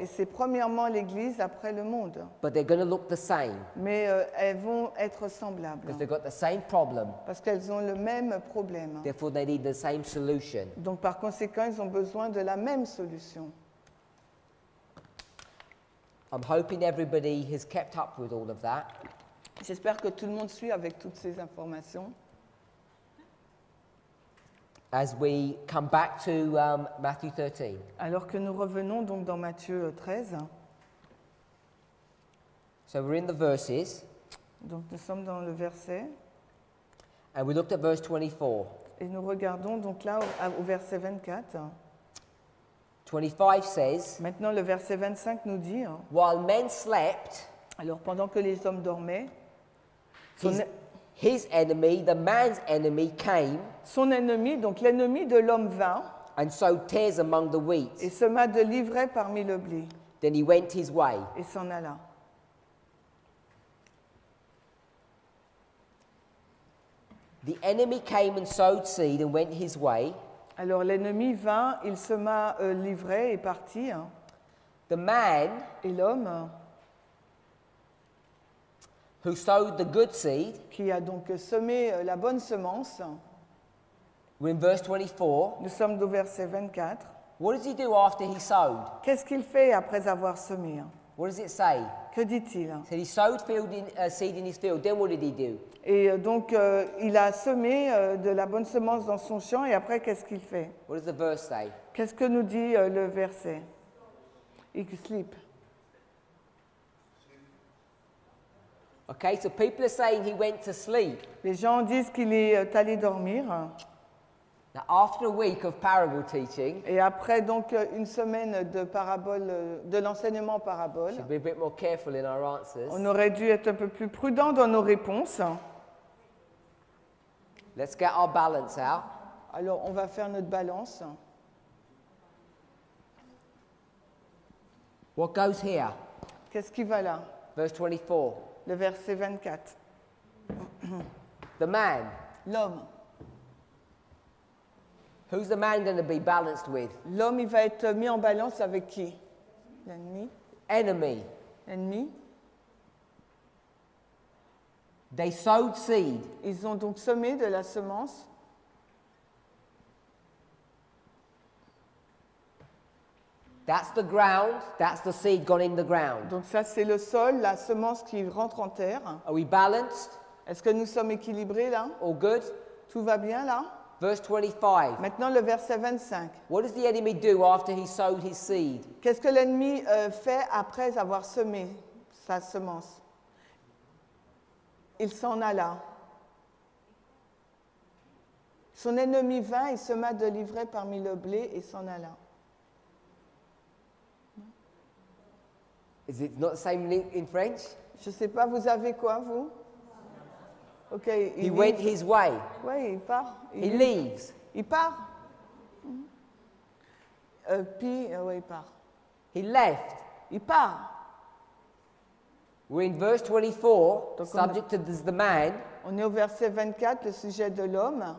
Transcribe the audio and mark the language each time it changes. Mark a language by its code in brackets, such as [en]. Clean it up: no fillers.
[fr] Et c'est premièrement l'église, après le monde. [en] But they're going to look the same. [fr] Mais elles vont être semblables. [en] Because they've got the same problem. [fr] Parce qu'elles ont le même problème. [en] Therefore, they need the same solution. [fr] Donc par conséquent, ils ont besoin de la même solution. [en] I'm hoping everybody has kept up with all of that. [fr] J'espère que tout le monde suit avec toutes ces informations. [en] As we come back to Matthew 13. [fr] Alors que nous revenons donc dans Matthieu 13. [en] So we're in the verses. [fr] Donc nous sommes dans le verset. [en] And we looked at verse 24. [fr] Et nous regardons donc là au verset 24. [en] 25 says. [fr] Maintenant le verset 25 nous dit. [en] While men slept. [fr] Alors pendant que les hommes dormaient. [en] His enemy, the man's enemy, came. [fr] Son ennemi, donc l'ennemi de l'homme, vint. [en] And sowed tares among the wheat. [fr] Et sema de l'ivraie parmi le blé. [en] Then he went his way. [fr] Et s'en alla. [en] The enemy came and sowed seed and went his way. [fr] Alors l'ennemi vint, il sema l'ivraie et partit. [en] The man. [fr] Et l'homme. [en] Who sowed the good seed? [fr] Qui a donc semé la bonne semence? [en] We're in verse 24. [fr] Nous sommes au verset 24. [en] What does he do after he sowed? [fr] Qu'est-ce qu'il fait après avoir semé? [en] What does it say? [fr] Que dit-il? [en] So he sowed seed in his field. Then what did he do? [fr] Et donc il a semé de la bonne semence dans son champ. Et après, qu'est-ce qu'il fait? [en] What does the verse say? [fr] Qu'est-ce que nous dit le verset? [en] He sleep. Okay, so people are saying he went to sleep. [fr] Les gens disent qu'il est allé dormir. [en] Now, after a week of parable teaching, [fr] et après donc une semaine de parabole, de l'enseignement parabole, [en] should be a bit more careful in our answers. [fr] On aurait dû être un peu plus prudent dans nos réponses. [en] Let's get our balance out. [fr] Alors, on va faire notre balance. [en] What goes here? [fr] Qu'est-ce qui va là? [en] Verse 24. [fr] Le verset 24. [en] The man. [fr] L'homme. [en] Who's the man going to be balanced with? [fr] L'homme, il va être mis en balance avec qui? L'ennemi. [en] Enemy. [fr] Ennemi. [en] They sowed seed. [fr] Ils ont donc semé de la semence. [en] That's the ground. That's the seed gone in the ground. [fr] Donc ça c'est le sol, la semence qui rentre en terre. [en] Are we balanced? [fr] Est-ce que nous sommes équilibrés là? [en] All good. [fr] Tout va bien là? [en] Verse 25. [fr] Maintenant le verset 25. [en] What does the enemy do after he sowed his seed? [fr] Qu'est-ce que l'ennemi fait après avoir semé sa semence? Il s'en alla. Son ennemi vint et sema de l'ivraie parmi le blé et s'en alla. [en] Is it not the same in French? [fr] Je sais pas, vous avez quoi vous? [en] Okay, he went his way. [fr] Oui, il part. [en] He leaves. [fr] Il part. Puis, oui, il part. [en] He left. [fr] Il part. [en] We're in verse 24, [fr] donc [en] subject to the man. [fr] On est au verset 24, le sujet de l'homme.